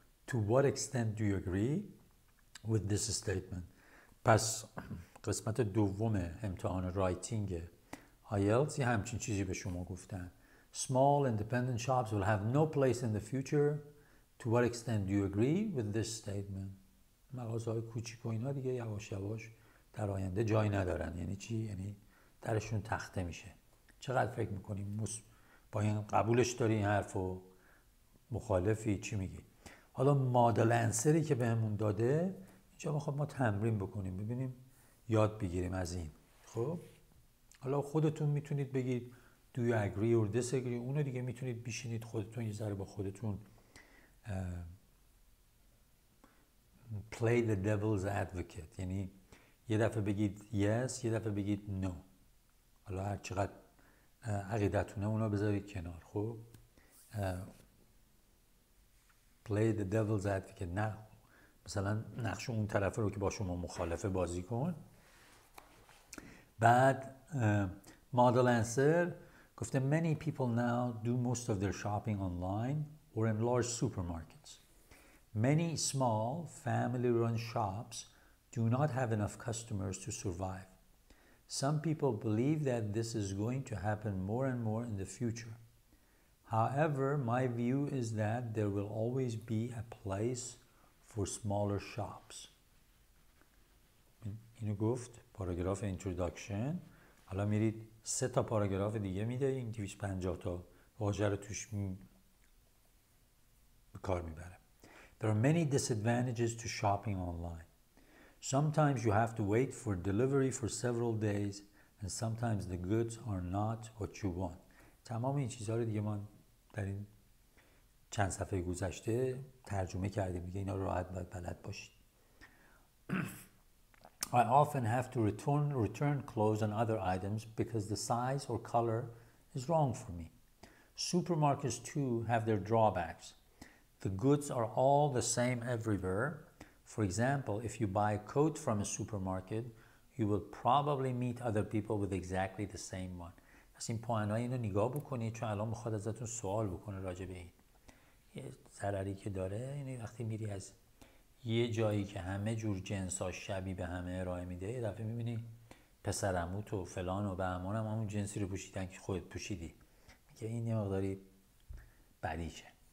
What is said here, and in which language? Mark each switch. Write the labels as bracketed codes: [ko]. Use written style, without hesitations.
[en] To what extent do you agree with this statement? [fa] پس قسمت دوم امتحان رایتینگ IELTS یه همچین چیزی به شما گفتن. [en] Small independent shops will have no place in the future. To what extent do you agree with this statement? [fa] مغازه‌های کوچیک و اینا دیگه یواش یواش در آینده جایی ندارن. یعنی چی؟ یعنی درشون تخته میشه. چقدر فکر میکنی؟ با این قبولش داری این حرف و مخالفی؟ چی میگی؟ حالا مادل انسری که بهمون داده اینجا بخواب ما تمرین بکنیم ببینیم یاد بگیریم از این. خب حالا خودتون میتونید بگید [en] Do you agree or disagree؟ [fa] اونو دیگه میتونید بشینید خودتون یه ذره با خودتون [en] play the devil's advocate، [fa] یعنی یه دفعه بگید yes یه دفعه بگید no، حالا هر چقدر عقیدتونه اونا بذارید کنار. خب [en] play the devil's advocate، [fa] نه مثلا نقش اون طرف رو که با شما مخالفه بازی کن. بعد model answer گفته [en] many people now do most of their shopping online or in large supermarkets. Many small family-run shops do not have enough customers to survive. Some people believe that this is going to happen more and more in the future. However, my view is that there will always be a place for smaller shops. [fa] اینو گفت پاراگراف اینتروداکشن. حالا میرید سه تا پاراگراف دیگه میده این 250 تا واژه رو توش به کار میبره. [en] There are many disadvantages to shopping online. Sometimes you have to wait for delivery for several days and sometimes the goods are not what you want. [fa] تمام این چیزها رو دیگه من در این چند صفحه گذشته ترجمه کردیم دیگه، اینا راحت باید بلد باشید. [en] I often have to return clothes and other items because the size or color is wrong for me. Supermarkets too have their drawbacks. The goods are all the same everywhere. For example, if you buy a coat from a supermarket, you will probably meet other people with exactly the same one. [fa] پس این پوانتای اینو نگاه بکنید، چون الان میخواد ازتون سوال بکنه راجع به این. یه ضرری که داره اینه وقتی میری از یه جایی که همه جور جنس ها شبیه به همه ارائه میده، یه دفعه میبینی پسر عموت و فلان و بهمان هم همون جنسی رو پوشیدن که خودت پوشیدی، میگه این یه مقداری بدیشه.